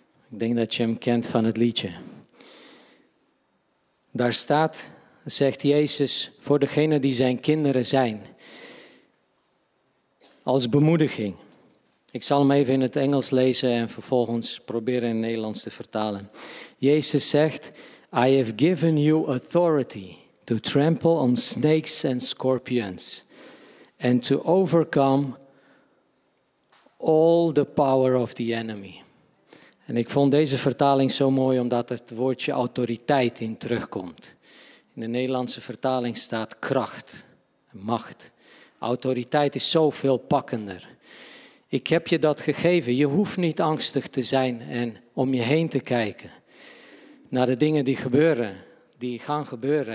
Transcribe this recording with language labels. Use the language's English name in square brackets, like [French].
[Dutch] Ik denk dat je hem kent van het liedje. Daar staat, zegt Jezus, voor degene die zijn kinderen zijn, als bemoediging. Ik zal hem even in het Engels lezen en vervolgens proberen in het Nederlands te vertalen. Jezus zegt, [English] I have given you authority to trample on snakes and scorpions and to overcome all the power of the enemy. [Dutch] En ik vond deze vertaling zo mooi omdat het woordje autoriteit in terugkomt. In de Nederlandse vertaling staat kracht, macht. Autoriteit is zoveel pakkender. Ik heb je dat gegeven. Je hoeft niet angstig te zijn en om je heen te kijken naar de dingen die gebeuren, die gaan gebeuren.